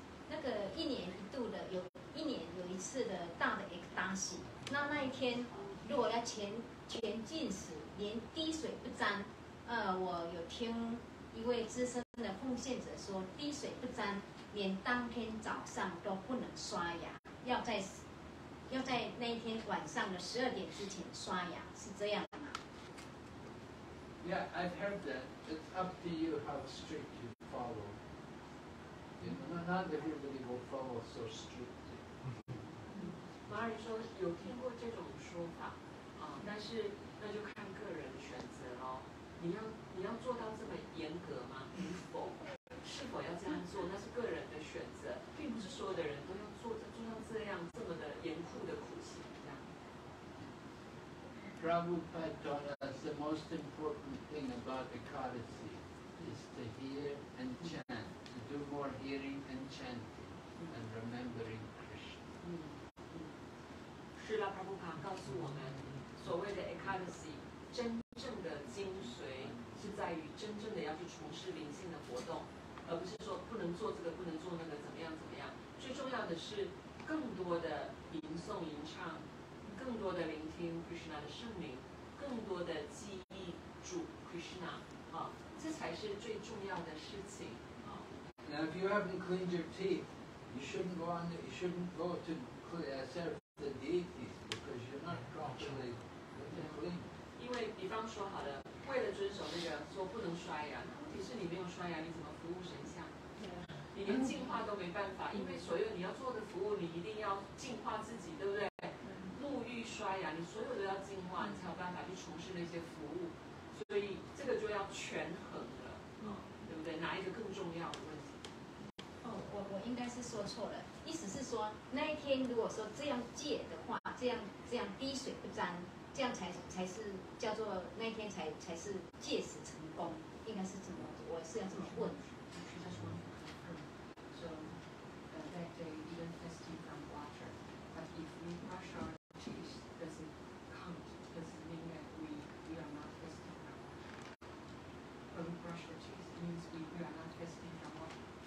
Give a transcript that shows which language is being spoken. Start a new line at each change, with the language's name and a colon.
Chinese: 那个一年一度的有一年有一次的大的 Ekadashi， 那一天如果要全禁食，连滴水不沾，我有听一位资深的奉献者说，滴水不沾，连当天早上都不能刷牙，要在那一天晚上的12点之前刷牙，是这样的吗？
English: Yeah, I've heard that. It's up to you how strict you follow. You know, not everybody will follow so strictly.
Chinese: 马尔说有听过这种说法，但是那就看个人选择喽。你要做到这么严格吗？是否要这样做？那是个人的选择，并不是所有的人都要做到这样这么的严酷的苦行。这样
English: ，Prabhupada taught us the most important thing about Ekadasi is to hear and chant, to do more hearing and chanting and remembering Krishna.
Chinese: 是啦 ，Prabhupada 告诉我们，所谓的 Ekadasi 真正的精髓是在于真正的要去从事灵性的活动。而不是说不能做这个不能做那个怎么样怎么样，最重要的是更多的吟诵吟唱，更多的聆听 Krishna 的圣名，更多的记忆主 Krishna， 这才是最重要的事情。
English: Now if you haven't cleaned your teeth, you shouldn't go to serve the deities because you're not properly clean.
Chinese: 因为比方说好了，为了遵守那个说不能刷牙，其实你没有刷牙，你怎么服务神像？你连净化都没办法，因为所有你要做的服务，你一定要净化自己，对不对？沐浴、刷牙，你所有都要净化，你才有办法去从事那些服务。所以这个就要权衡了，对不对？哪一个更重要的问题？我应该是说错了，意思是说那一天如果说这样戒的话，这样滴水不沾，这样才是叫做那一天才是戒食成功。应该是怎么？我是要怎么问？他说
English: ，So that day even fasting from water, but if we brush our teeth, does it count? Does it mean that we are not fasting from water? When we brush our teeth, means we are not fasting from water?